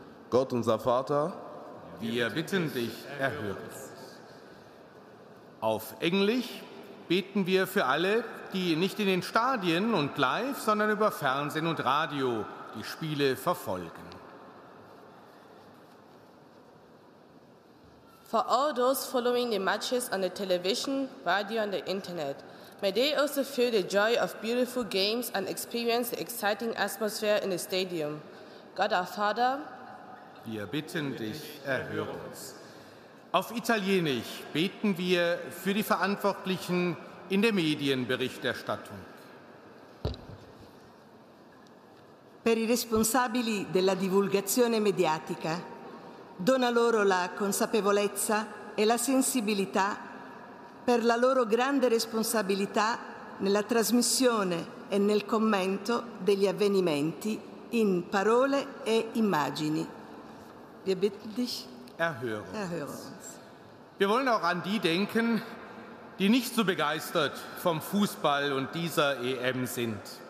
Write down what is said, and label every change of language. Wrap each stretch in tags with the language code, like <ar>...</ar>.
<de>Gott, unser Vater, wir bitten dich, erhöre uns. Auf Englisch beten wir für alle, die nicht in den Stadien und live, sondern über Fernsehen und Radio die Spiele verfolgen.</de> <en>For all those following the matches on the television, radio and the internet, may they also feel the joy of beautiful games and experience the exciting atmosphere in the stadium. God our Father,</en> <de>wir bitten dich, erhöre uns. Auf Italienisch beten wir für die Verantwortlichen in der Medienberichterstattung.</de> <it>Per i responsabili della divulgazione mediatica, dona loro la consapevolezza e la sensibilità per la loro grande responsabilità nella trasmissione e nel commento degli avvenimenti in parole e immagini.</it> <de>Wir bitten dich, erhöre uns. Wir wollen auch an die denken, die nicht so begeistert vom Fußball und dieser EM sind.</de>